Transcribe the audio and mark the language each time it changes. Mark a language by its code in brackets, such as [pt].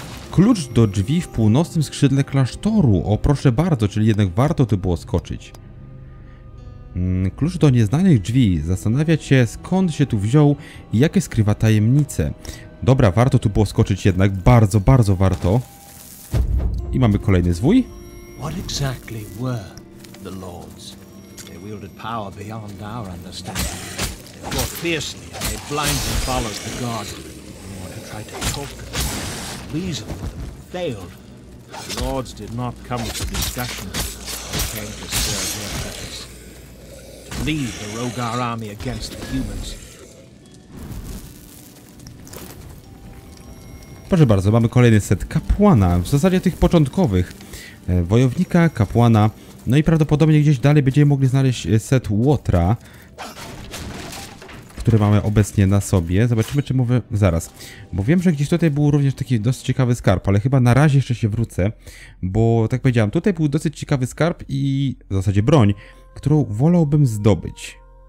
[pl] Klucz do drzwi w północnym skrzydle klasztoru. O, proszę bardzo, czyli jednak warto tu było skoczyć. Klucz do nieznanych drzwi. Zastanawiać się, skąd się tu wziął i jakie skrywa tajemnice. Dobra, warto tu było skoczyć jednak. Bardzo, bardzo warto. I mamy kolejny zwój. [en] What exactly were the lords? They wielded power beyond our understanding. They fought fiercely and they blindly followed the gods. Anyone who tried to talk to them, reason with them, failed. The lords did not come for discussion. They came to serve their purpose. To lead the Rogar army against the humans. [pl] Proszę bardzo, mamy kolejny set kapłana, w zasadzie tych początkowych. Wojownika, kapłana, no i prawdopodobnie gdzieś dalej będziemy mogli znaleźć set Łotra, który mamy obecnie na sobie. Zobaczymy, czy mówię zaraz. Bo wiem, że gdzieś tutaj był również taki dosyć ciekawy skarb, ale chyba na razie jeszcze się wrócę, bo tak powiedziałem, tutaj był dosyć ciekawy skarb i w zasadzie broń, którą wolałbym zdobyć.